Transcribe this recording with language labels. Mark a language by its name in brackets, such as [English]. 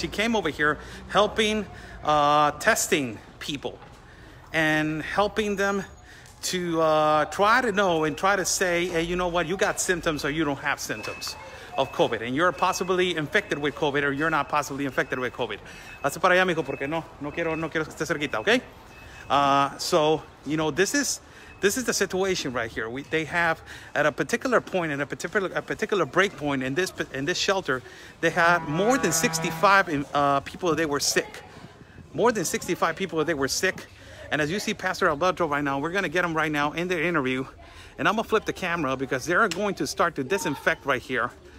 [English] She came over here helping testing people and helping them to try to know and try to say, hey, you know what, you got symptoms or you don't have symptoms of COVID, and you're possibly infected with COVID, or you're not possibly infected with COVID. [Spanish] Hace para allá, mijo, porque no quiero que esté cerquita, okay? [English] So, you know, this is the situation right here. They have at a particular point and a particular break point in this shelter, they had more than 65 people that they were sick. More than 65 people that they were sick. And as you see Pastor Alberto right now, we're gonna get him right now in the interview, and I'm gonna flip the camera because they're going to start to disinfect right here.